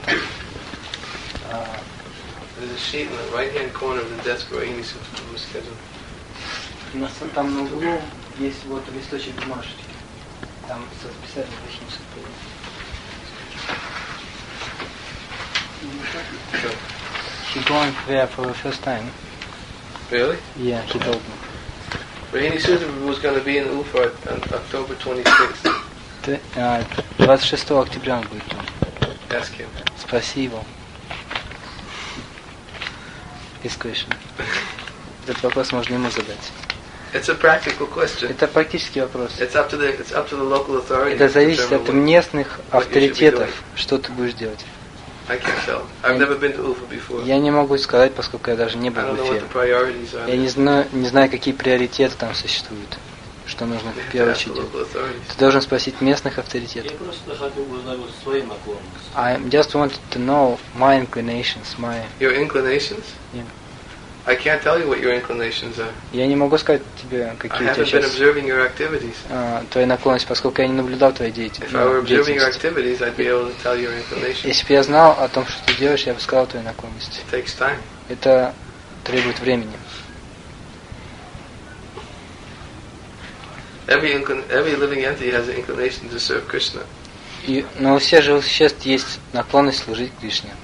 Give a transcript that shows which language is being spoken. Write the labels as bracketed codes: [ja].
[en] There's a sheet in the right-hand corner of the desk where Amy sits with the schedule. [ru] На самом углу есть вот листочек бумажки. Там со списанием точно все было. [en] He's going there for the first time. Really? Yeah, he told me. Rainy Sutra was going to be in Ufa on October 26th. [ru] 26 октября он будет там. [en] Ask him. [ru] Спроси его. [en] His question. [ru] Этот вопрос можно ему задать. [en] It's a practical question. [ru] Это практический вопрос. [en] It's up to the local authority. [ru] Это зависит от местных авторитетов, что ты будешь делать. [en] I can't tell. I've never been to Ufa before. [ru] Я не могу сказать, поскольку я даже не был в Уфе. Я не знаю, какие приоритеты там существуют, что нужно в первую очередь. Ты должен спросить местных авторитетов. Я просто хотел узнать вот свои наклонности. [en] I just wanted to know my inclinations, Your inclinations? Yeah. I can't tell you what your inclinations are. [ru] Я не могу сказать тебе, какие у тебя сейчас. [en] I haven't been observing your activities. [ru] Твои наклонности, поскольку я не наблюдал твои деятельности. [en] If I were observing your activities, I'd be able to tell your inclinations. [ru] Если бы я знал о том, что ты делаешь, я бы сказал твои наклонности. [en] It takes time. [ru] Это требует времени. [en] Every living entity has an inclination to serve Krishna. [ru] Но у всех живых существ есть наклонность служить Кришне.